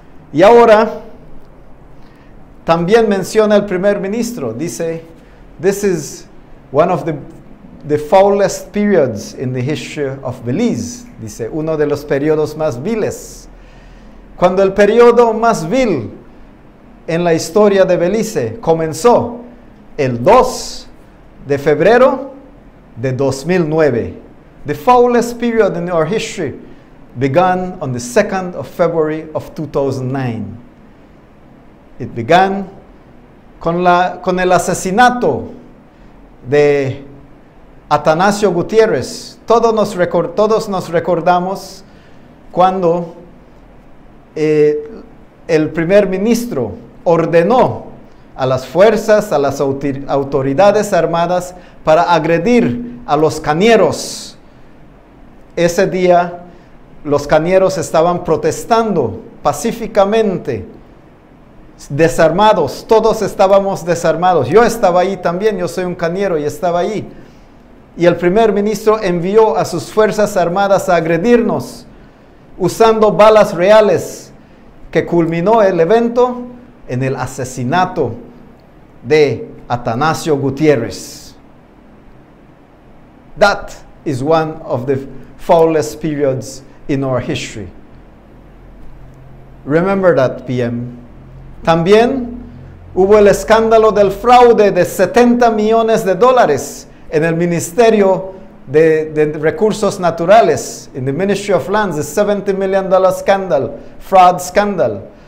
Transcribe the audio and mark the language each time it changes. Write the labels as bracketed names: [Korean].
[Spanish] Y ahora también menciona el primer ministro, dice, [English] "This is one of the foulest periods in the history of Belize", [Spanish] dice, uno de los periodos más viles. Cuando el periodo más vil en la historia de Belice comenzó el 2 de febrero de 2009. [English] The foulest period in our history began on the 2nd of February of 2009. It began [Spanish] con el asesinato de Atanasio Gutiérrez. Todos nos recordamos cuando el primer ministro ordenó a las fuerzas, a las autoridades armadas para agredir a los cañeros. Ese día los cañeros estaban protestando pacíficamente, desarmados, todos estábamos desarmados. Yo estaba ahí también, yo soy un cañero y estaba ahí. Y el primer ministro envió a sus fuerzas armadas a agredirnos usando balas reales, que culminó el evento en el asesinato de Atanasio Gutiérrez. [English] That is one of the foulest periods in our history. Remember that, PM. [Spanish] También hubo el escándalo del fraude de 70 millones de dólares en el Ministerio de Recursos Naturales, [English] in the Ministry of Lands, the $70 million scandal, fraud scandal,